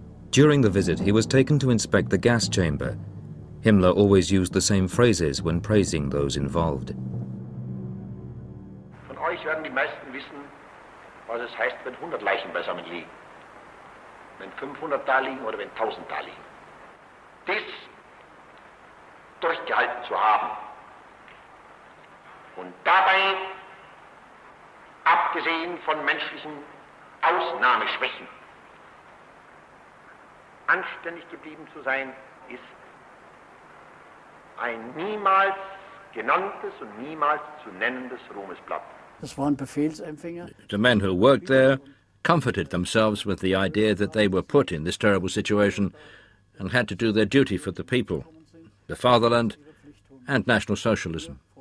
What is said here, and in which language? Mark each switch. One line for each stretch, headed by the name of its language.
English: During the visit, he was taken to inspect the gas chamber. Himmler always used the same phrases when praising those involved.
German: Von euch werden die meisten wissen, was es heißt, wenn 100 Leichen beisammen liegen. Wenn 500 da liegen oder wenn 1000 da liegen. Dies durchgehalten zu haben und dabei, abgesehen von menschlichen Ausnahmeschwächen, anständig geblieben zu sein, ist ein niemals genanntes und niemals zu nennendes Ruhmesblatt. Das waren Befehlsempfänger.
English: The men who worked there comforted themselves with the idea that they were put in this terrible situation and had to do their duty for the people, the Fatherland and National Socialism.